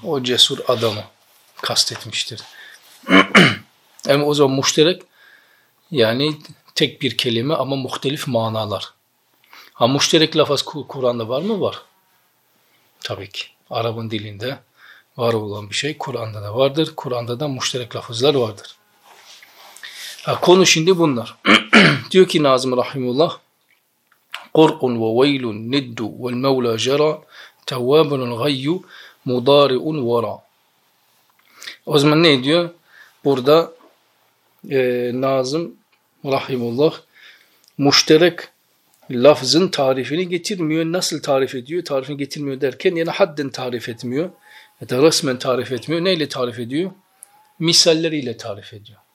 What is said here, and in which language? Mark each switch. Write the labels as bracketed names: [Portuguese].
[Turkish] O cesur adamı kastetmiştir. Yani o zaman muşterek, yani tek bir kelime ama muhtelif manalar. Ha, muşterek lafız Kur'an'da var mı? Var. Tabii ki. Arap'ın dilinde var olan bir şey Kur'an'da da vardır. Kur'an'da da muşterek lafızlar vardır. Ha, konu şimdi bunlar. Diyor ki Nazım Rahimullah, [Arabic] قُرْءٌ وَوَيْلٌ نِدُّ وَالْمَوْلَى جَرَى تَوَّابٌ غَيُّ مُضَارِعٌ وَرَى. [Turkish] O zaman ne diyor? Burada Nazım Rahimullah muşterek lafzın tarifini getirmiyor. Nasıl tarif ediyor? Tarifini getirmiyor derken yani hadden tarif etmiyor. Ya da resmen tarif etmiyor. Neyle tarif ediyor? Misalleriyle tarif ediyor.